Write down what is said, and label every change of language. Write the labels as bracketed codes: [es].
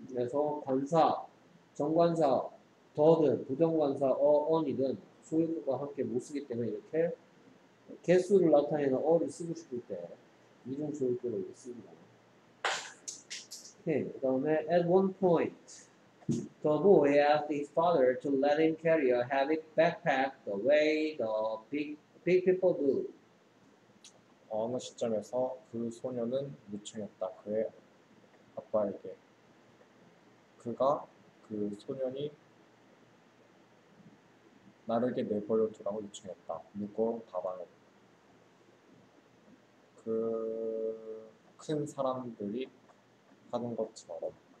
[ko] 그래서 관사, 정관사, 더든, 부정관사, on이든 소유격과 함께 못 쓰기 때문에 이렇게 개수를 나타내는 어를 쓰고 싶을 때 이중 소유격을 씁니다. 오케이. 그다음에 [en] at one point, the boy asked his father to let him carry a heavy backpack the way the big people do. [ko] 어느 시점에서 그 소년은 요청했다. 그의 아빠에게 그가 그 소년이 나르게 내버려 두라고 요청했다. 무거운 가방을 그 큰 사람들이 하는 것처럼.